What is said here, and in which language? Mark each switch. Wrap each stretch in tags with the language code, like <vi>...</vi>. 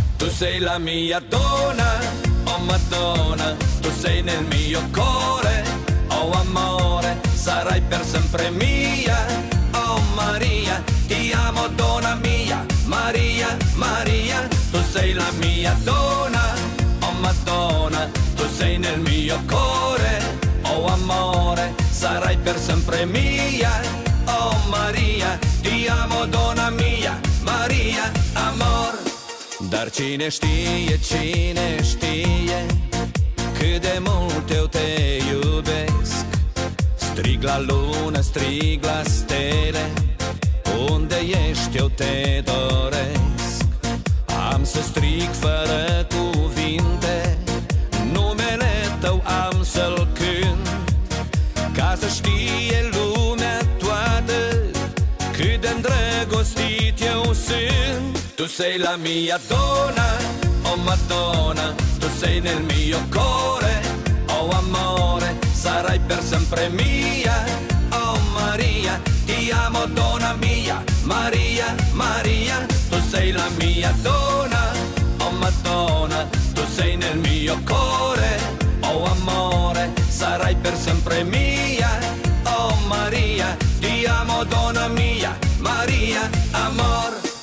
<it>sei la mia donna, oh Madonna, tu sei nel mio cuore, oh amore, sarai per sempre mia, oh Maria, ti amo donna mia, Maria, Maria, tu sei la mia donna, oh Madonna, tu sei nel mio cuore, oh amore, sarai per sempre mia, oh Maria, ti amo donna mia, Maria, amor.</it> <ro>Dar cine știe, cine știe, cât de mult eu te iubesc. Strig la lună, strig la stele, unde ești eu te doresc. Am să strig fără cuvinte, numele tău am să-l cânt, ca să știe lumea toată, cât de-ndrăgostit eu sunt.</ro> <it>Tu sei la mia donna, oh Madonna, tu sei nel mio cuore, oh amore, sarai per sempre mia, oh Maria, ti amo donna mia, Maria, Maria, tu sei la mia donna, oh Madonna, tu sei nel mio cuore, oh amore, sarai per sempre mia, oh Maria, ti amo donna mia, Maria, amor.</it>